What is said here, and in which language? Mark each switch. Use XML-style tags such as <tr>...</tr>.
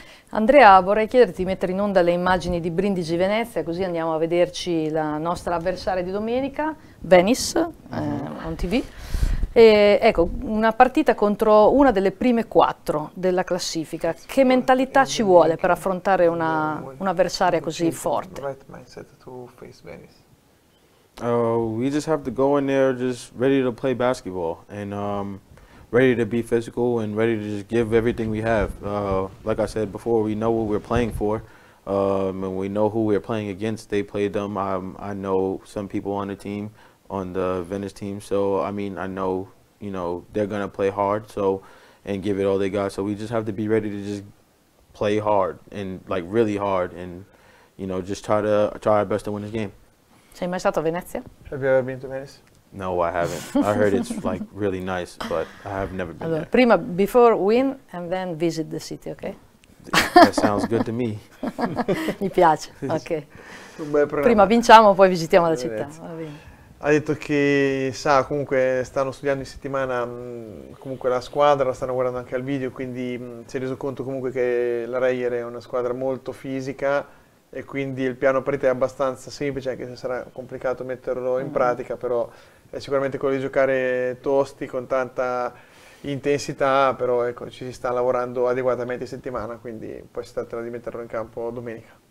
<it>Andrea, vorrei chiederti di mettere in onda le immagini di Brindisi Venezia, così andiamo a vederci la nostra avversaria di domenica,</it> <en>Venice, on TV.</en> <it>E, ecco, una partita contro una delle prime quattro della classifica. Che mentalità ci vuole per affrontare un'avversaria così forte?</it> <en>Right mindset to face Venice. We just have to go in there just ready to play basketball and ready to be physical and ready to just give everything we have. Like I said before, we know what we're playing for and we know who we're playing against. They played them. I know some people on the team, on the Venice team. So, I mean, I know, you know, they're going to play hard so and give it all they got. So we just have to be ready to just play hard and like really hard and, you know, just try our best to win this game.</en> <it>Sei mai stato a Venezia?</it> <en>Have you ever been to Venice? No, I haven't. I heard it's like really nice, but I have never been</en> <it>allora,</it> <en>there. Prima, before win and then visit the city, okay? That sounds good to me.</en> <it>Mi piace, ok. Prima vinciamo, poi visitiamo la città. Ha detto che sa, comunque stanno studiando in settimana comunque la squadra, la stanno guardando anche al video, quindi si è reso conto comunque che la Reyer è una squadra molto fisica, e quindi il piano partita è abbastanza semplice, anche se sarà complicato metterlo in pratica, però è sicuramente quello di giocare tosti con tanta intensità, però ecco, ci si sta lavorando adeguatamente in settimana, quindi poi si tratterà di metterlo in campo domenica.</it>